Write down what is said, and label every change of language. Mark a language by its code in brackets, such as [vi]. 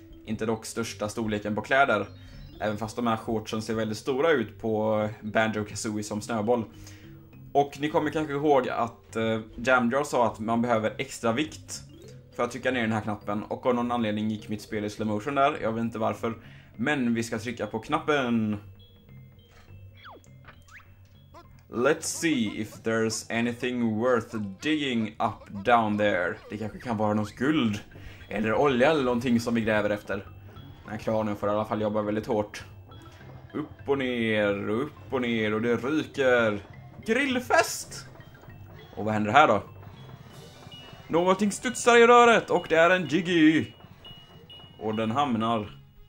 [sv] Inte dock största storleken på kläder. Även fast de här shortsen ser väldigt stora ut på Banjo-Kazooie som snöboll. Och ni kommer kanske ihåg att Jamjar sa att man behöver extra vikt. För att trycka ner den här knappen. Och av någon anledning gick mitt spel i slow motion där. Jag vet inte varför. Men vi ska trycka på knappen. [en] Let's see if there's anything worth digging up down there. [sv] Det kanske kan vara något guld. Eller olja eller någonting som vi gräver efter. Den här kranen får i alla fall jobba väldigt hårt. Upp och ner och det ryker. Grillfest! Och vad händer här då? Någonting studsar i röret och det är en jiggy. Och den hamnar.